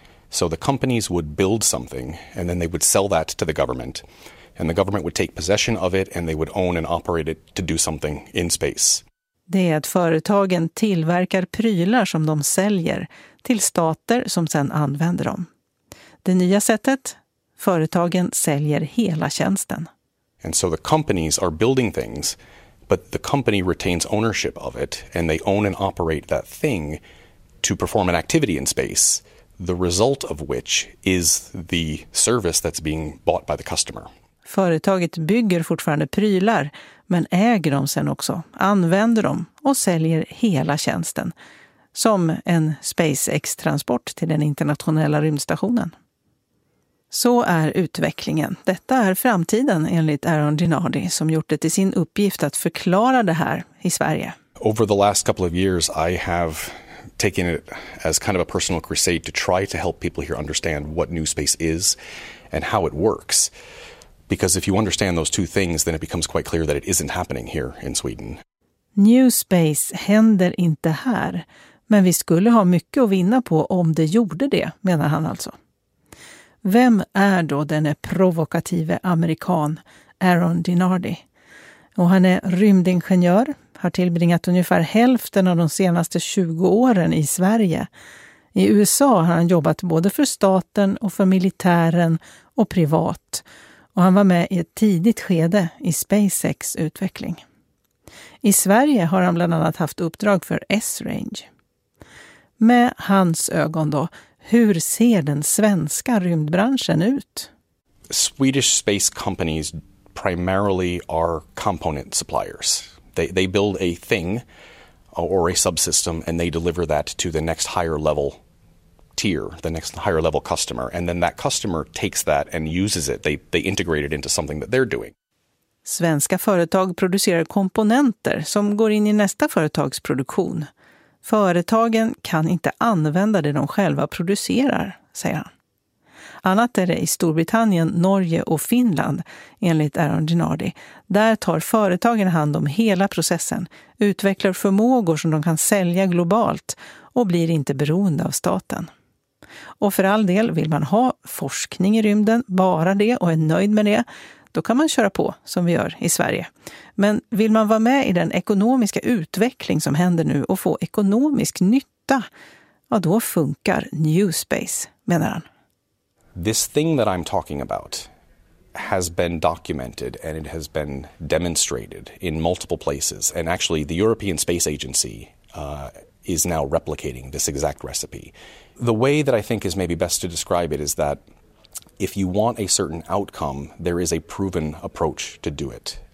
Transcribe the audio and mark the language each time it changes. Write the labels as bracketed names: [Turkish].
[English] So the companies would build something and then they would sell that to the government. And the government would take possession of it and they would own and operate it to do something in space. [Swedish] Det är att företagen tillverkar prylar som de säljer till stater som sedan använder dem. Det nya sättet, företagen säljer hela tjänsten. [English] And so the companies are building things, but the company retains ownership of it and they own and operate that thing to perform an activity in space, the result of which is the service that's being bought by the customer. [Swedish] Företaget bygger fortfarande prylar, men äger dem sen också, använder dem och säljer hela tjänsten. Som en SpaceX-transport till den internationella rymdstationen. Så är utvecklingen. Detta är framtiden enligt Aaron Dinardi som gjort det till sin uppgift att förklara det här i Sverige. [English] Over the last couple of years I have taken it as kind of a personal crusade to try to help people here understand what New Space is and how it works. Because if you understand those two things, then it becomes quite clear that it isn't happening here in Sweden. [Swedish] New Space händer inte här, men vi skulle ha mycket att vinna på om det gjorde det, menar han alltså. Vem är då den provokative amerikan Aaron Dinardi? Och han är rymdingenjör, har tillbringat ungefär hälften av de senaste 20 åren i Sverige. I USA har han jobbat både för staten och för militären och privat. Och han var med i ett tidigt skede i SpaceX-utveckling. I Sverige har han bland annat haft uppdrag för S-Range. Med hans ögon då, hur ser den svenska rymdbranschen ut? [English] Swedish space companies primarily are component suppliers. They build a thing or a subsystem and they deliver that to the next higher level tier, the next higher level customer, and then that customer takes that and uses it. They integrate it into something that they're doing. [Swedish] Svenska företag producerar komponenter som går in i nästa företags produktion. Företagen kan inte använda det de själva producerar, säger han. Annat är det i Storbritannien, Norge och Finland, enligt Aaron Dinardi. Där tar företagen hand om hela processen, utvecklar förmågor som de kan sälja globalt och blir inte beroende av staten. Och för all del, vill man ha forskning i rymden, bara det och är nöjd med det, då kan man köra på som vi gör i Sverige. Men vill man vara med i den ekonomiska utveckling som händer nu och få ekonomisk nytta, ja då funkar New Space, menar han. [English] This thing that I'm talking about has been documented and it has been demonstrated in multiple places. And actually the European Space Agency is now replicating this exact recipe. The way that I think is maybe best to describe it is that if you want a certain outcome, there is a proven approach to do it.